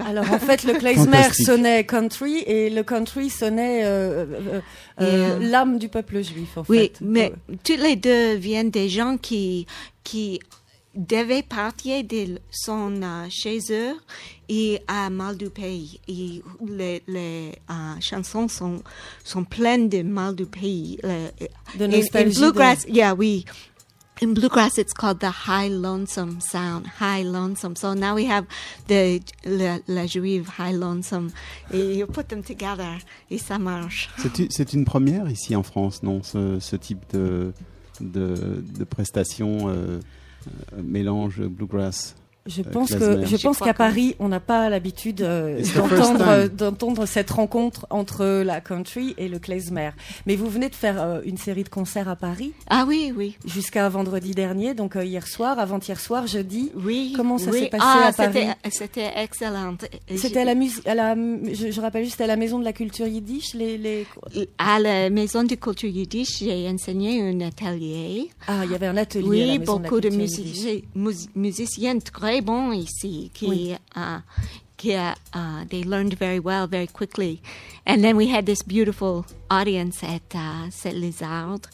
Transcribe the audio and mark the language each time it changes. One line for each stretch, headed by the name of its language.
French: Alors en fait le klezmer sonnait country et le country sonnait l'âme du peuple juif en fait. Oui, mais toutes les deux viennent des gens qui devaient partir de chez eux et à mal du pays. Et les chansons sont pleines de mal du pays.
English: In bluegrass, it's called the high lonesome sound. High lonesome. So now we have
French: la juive
English: high lonesome.
French: Et
English: you put them together
French: et ça marche. C'est une première ici en France, non? Ce type de prestation. Mélange bluegrass. Je pense qu'à Paris, on n'a pas l'habitude d'entendre cette rencontre entre la country et le klezmer. Mais vous venez de faire une série de concerts à Paris. Ah oui, oui. Jusqu'à vendredi dernier, donc hier soir, avant-hier soir, jeudi. Oui. Comment ça s'est passé à Paris? C'était excellent. Je rappelle juste à la Maison de la Culture Yiddish. À la Maison de la Culture Yiddish, j'ai enseigné un atelier. Ah, il y avait un atelier. Oui, à la Maison beaucoup de la Culture de musiciennes. Très bon ici,
English: they learned very well, very quickly. And then we had this beautiful audience at Saint-Lézard.